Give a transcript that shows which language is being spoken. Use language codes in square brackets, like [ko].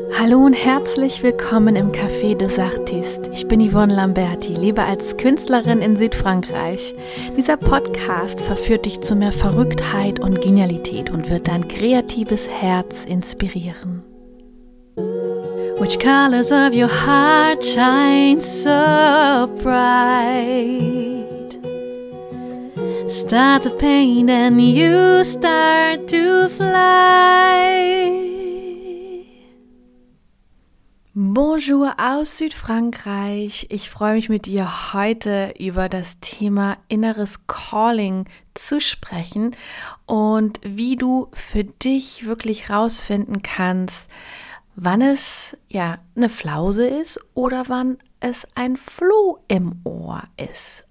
[de] Hallo und herzlich willkommen im Café des Artistes. Ich bin Yvonne Lamberti, lebe als Künstlerin in Südfrankreich. Dieser Podcast verführt dich zu mehr Verrücktheit und Genialität und wird dein kreatives Herz inspirieren. [en] Which colors of your heart shine so bright? Start the pain and you start to fly. [de] Bonjour aus Südfrankreich. Ich freue mich mit dir heute über das Thema inneres Calling zu sprechen und wie du für dich wirklich rausfinden kannst, wann es ja eine Flause ist oder wann es ein Floh im Ohr ist.